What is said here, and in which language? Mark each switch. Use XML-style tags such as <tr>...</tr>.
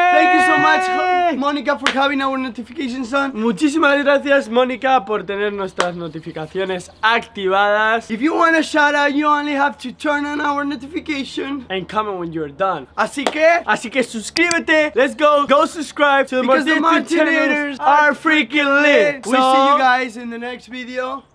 <en>Thank you so much, Mónica, for having our notifications on.</en> <es>Muchísimas gracias, Mónica, por tener nuestras notificaciones activadas.</es> <en>If you want a shoutout, you only have to turn on our notification and comment when you're done.</en> <es>Así que suscríbete.</es> <en>Let's go. Go subscribe to the Martinators are freaking lit. So, we'll see you guys in the next video.</en>